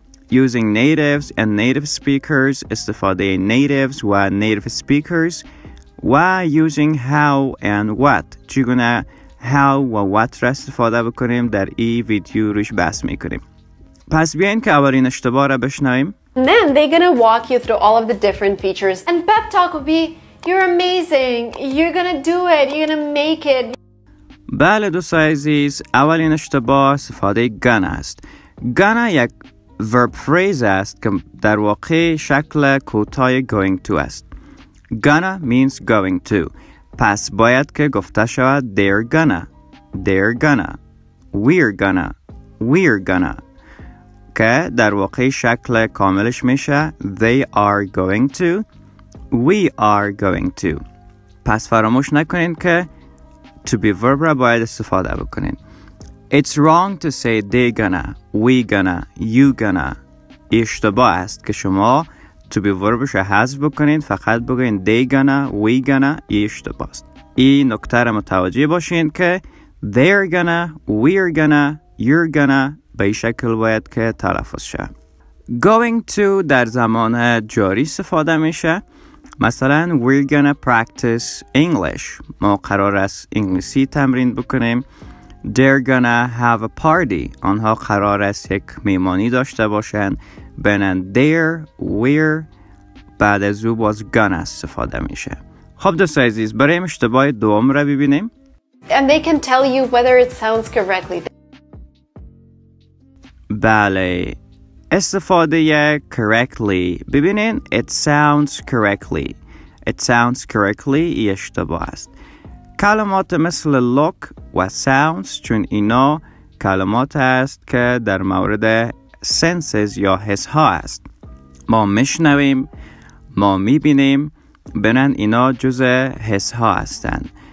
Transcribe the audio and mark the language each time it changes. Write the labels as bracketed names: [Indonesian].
[English] Using natives and native speakers، استفاده natives و native speakers. [Persian] و [English] using how and what، [Persian] چگونه how و what را استفاده بکنیم در این ویدیو روش بحث میکنیم. پس بیاین که اولین اشتباه را بشنویم. [English] Then they're gonna walk you through all of the different features and pep talk will be you're amazing, you're gonna do it, you're gonna make it. [Persian] بله دوست عزیز، اولین اشتباه استفاده gonna است. Gonna یک verb phrase است که در واقع شکل کوتاه going to است. [English] Gonna means going to. [Persian] پس باید که گفته شود [English] they're gonna, they're gonna, we're gonna, we're gonna، [Persian] که در واقع شکل کاملش میشه [English] they are going to، we are going to. [Persian] پس فراموش نکنین که to be verb را باید استفاده بکنین. [English] It's wrong to say they gonna, we gonna, you gonna. [Persian] اشتباه است که شما to be verbش را حذف بکنین، فقط بگوین [English] they gonna, we gonna. [Persian] اشتباه است. این نکته را متوجه باشین که [English] they're gonna, we're gonna, you're gonna [Persian] به این شکل باید که تلفظ شه. Going to در زمان جاری استفاده میشه. مثلا [English] we're gonna practice English، [Persian] ما قرار است انگلیسی تمرین بکنیم. [English] They're gonna have a party، [Persian] آنها قرار است یک میمانی داشته باشند. بنان they're، we're، بعد از او باز gonna استفاده میشه. خب دوست عزیز، بریم اشتباه دوم را ببینیم. [English] And they can tell you whether it sounds correctly. [Persian] بله، استفاده correctly، ببینین [English] it sounds correctly، it sounds correctly [Persian] اشتباه است. کلمات مثل look و sounds، چون اینا کلمات است که در مورد senses یا حس ها است، ما میشنویم، ما میبینیم، بنان اینا جزء حس ها هستند.